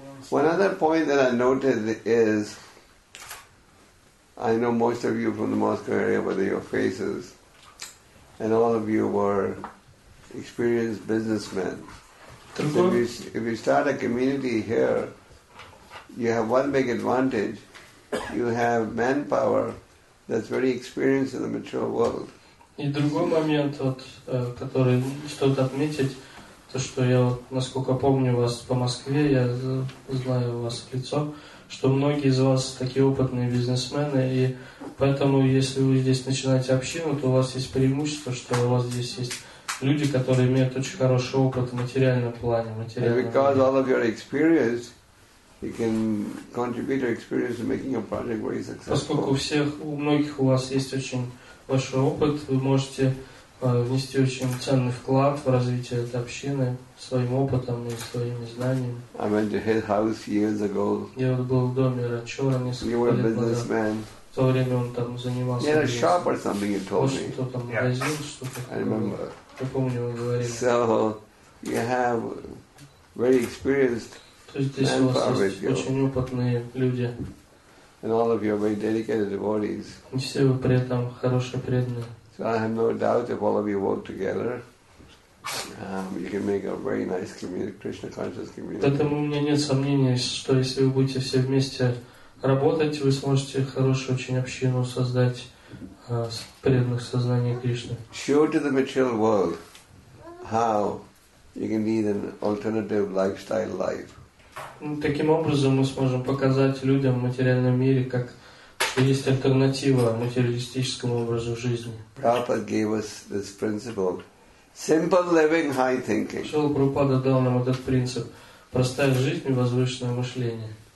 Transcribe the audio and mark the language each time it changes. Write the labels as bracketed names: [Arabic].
[English] One other point that I noted is, I know most of you from the Moscow area with your faces, and all of you were experienced businessmen. Mm-hmm. If you start a community here, you have one big advantage. You have manpower that's very experienced in the material world. [Russian] И другой момент, вот, который стоит отметить, то что я, насколько помню вас по Москве, я знаю вас в лицо, что многие из вас такие опытные бизнесмены, и поэтому, если вы здесь начинаете общину, то у вас есть преимущество, что у вас здесь есть люди, которые имеют очень хороший опыт в материальном плане. [English] And because all of your experience, you can contribute your experience to making your project very successful. [Russian] Поскольку у многих у вас есть очень большой опыт, вы можете внести очень ценный вклад в развитие этой общины своим опытом и своими знаниями. [English] I went to his house years ago. [Russian] Я вот был в доме Рачора несколько лет назад. [English] You were a businessman. [Russian] В то время он там занимался. [English] He had a shop or something, you told me. [Russian] Что-то там магазин, что-то такое. [English] I remember. [Russian] Как он мне говорил. [English] So you have very experienced men for it. [Russian] Очень опытные люди. [English] And all of you are very dedicated devotees. [Russian] И все вы при этом хорошие преданные. [English] So I have no doubt if all of you work together, you can make a very nice community, Krishna conscious community. [Russian] Поэтому у меня нет сомнений, что если вы будете все вместе работать, вы сможете хорошую очень общину создать преданных сознания Кришны. [English] Show to the material world how you can lead an alternative lifestyle life. [Russian] Таким образом мы сможем показать людям в материальном мире, как есть альтернатива материалистическому образу жизни. [English] Prabhupada gave us this principle. Simple living, high thinking. [Russian] Шрила Прабхупада дал нам этот принцип. Простая жизнь и возвышенное мышление.